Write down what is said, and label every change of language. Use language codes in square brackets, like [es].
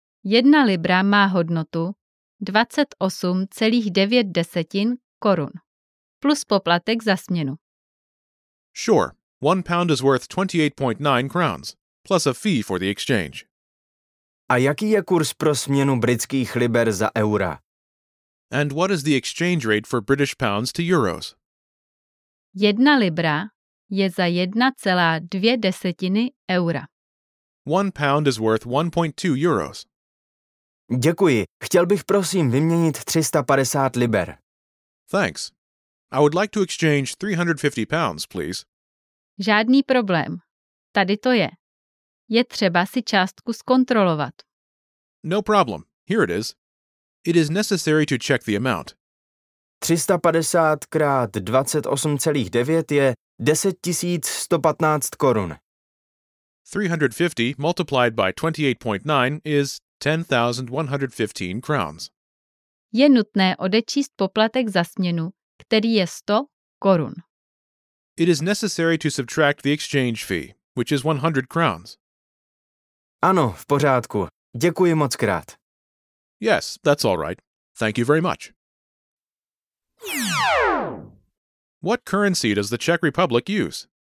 [cs] Jedna libra má hodnotu 28,9 korun plus poplatek za směnu. [en] Sure, one pound is worth 28.9 crowns plus a fee for the exchange. [cs] A jaký je kurz pro směnu britských liber za eura? [en] And what is the exchange rate for British pounds to euros? [cs] Jedna libra je za 1,2 eura. [en] One pound is worth 1.2 euros. [cs] Děkuji. Chtěl bych prosím vyměnit 350 liber. [en] Thanks. I would like to exchange 350 pounds, please. [cs] Žádný problém. Tady to je. Je třeba si částku zkontrolovat. [en] No problem. Here it is. It is necessary to check the amount. [cs] 350 krát 28,9 je 10 115 korun. [en] 350 multiplied by 28.9 is 10,115 crowns. [cs] Je nutné odečíst poplatek za směnu, který je 100 korun. [en] It is necessary to subtract the exchange fee, which is 100 crowns. [cs] Ano, v pořádku. Děkuji mockrát. [en] Yes, that's all right. Thank you very much. What currency does the Czech Republic use?